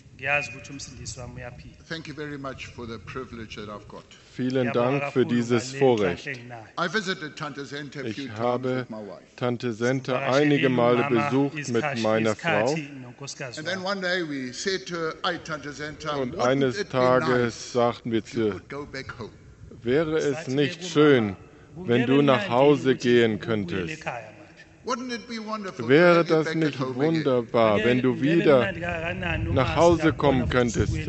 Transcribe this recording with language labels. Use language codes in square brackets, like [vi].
[en] Thank you very much for the privilege that I've got. [de] Vielen Dank für dieses Vorrecht. [en] I visited Tante Senta a few [de] ich habe Tante Senta einige Male besucht mit meiner Frau. [en] And then one day we said to her, "I, Tante Senta, [de] und eines Tages sagten wir zu ihr, wäre es nicht schön, wenn du nach Hause gehen könntest? [en] Wouldn't it be wonderful, [de] wäre das nicht wunderbar, wenn du wieder nach Hause kommen könntest?